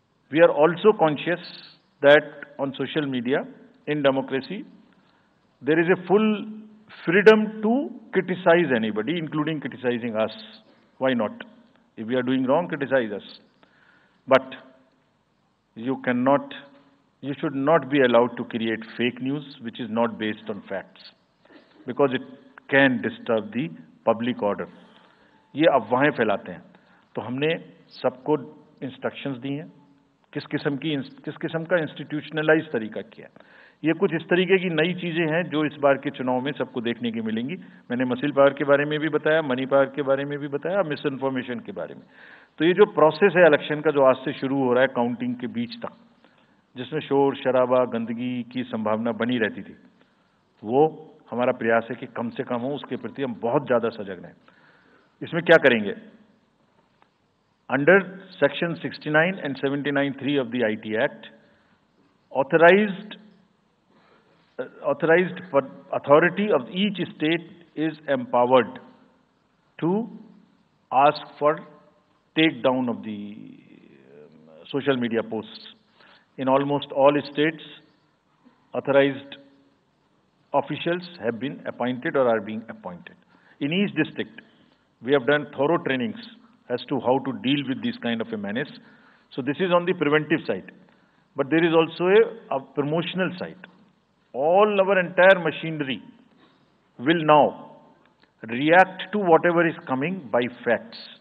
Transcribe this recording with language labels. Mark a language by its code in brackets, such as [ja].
[en] We are also conscious that on social media, in democracy, there is a full freedom to criticize anybody, including criticizing us. Why not? If we are doing wrong, criticize us. But you should not be allowed to create fake news which is not based on facts, because it can disturb the public order. [hi] ये अफवाहें फैलाते हैं. तो हमने सबको instructions दी हैं, किस किस्म का institutionalized तरीका किया. ये कुछ इस तरीके की नई चीजें हैं जो इस बार के चुनाव में सबको देखने की मिलेंगी. मैंने मसल पावर के बारे में भी बताया, मनी पावर के बारे में भी बताया, मिस इन्फॉर्मेशन के बारे में. तो ये जो प्रोसेस है इलेक्शन का, जो आज से शुरू हो रहा है काउंटिंग के बीच तक, जिसमें शोर शराबा गंदगी की संभावना बनी रहती थी, वो हमारा प्रयास है कि कम से कम हो. उसके प्रति हम बहुत ज्यादा सजग रहे. इसमें क्या करेंगे? [en] Under section 69 and 79(3) of the IT act, authorised authority of each state is empowered to ask for take down of the social media post. In almost all states, authorized officials have been appointed or are being appointed. In each district, we have done thorough trainings as to how to deal with this kind of a menace. So this is on the preventive side. But there is also a promotional side. All our entire machinery will now react to whatever is coming by facts.